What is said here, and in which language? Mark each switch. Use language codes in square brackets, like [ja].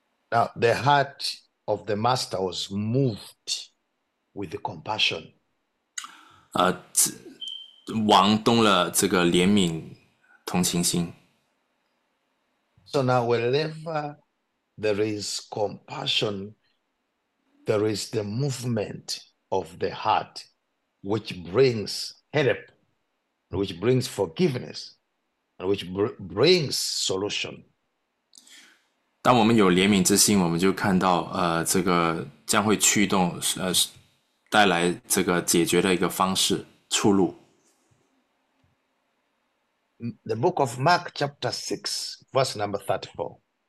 [en] Now, the heart of the master was moved with compassion. [zh] 王动了这个怜悯同情心。 [en] So now, wherever there is compassion, there is the movement of the heart, which brings help, which brings forgiveness, and which brings solution. [zh] 当我们有怜悯之心，我们就看到，这个将会驱动，带来这个解决的一个方式，出路。 [en] The book of Mark, chapter 6, verse number 34.